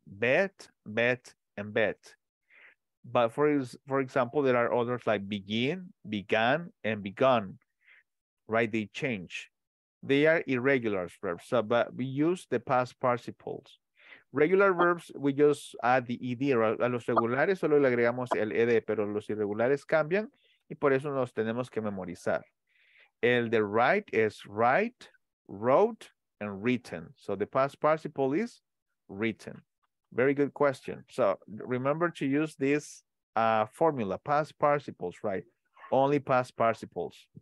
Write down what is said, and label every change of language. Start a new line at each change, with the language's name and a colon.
English: Bet, bet, and bet. But for example, there are others like begin, began, and begun, right? They change. They are irregular verbs, so, but we use the past participles. Regular verbs, we just add the ED.
Spanish: A los regulares solo le agregamos el ED, pero los irregulares cambian y por eso nos tenemos que memorizar. El de write es write, wrote, and written.
English: So the past participle is written. Very good question. So remember to use this formula, past participles, right? Only past participles.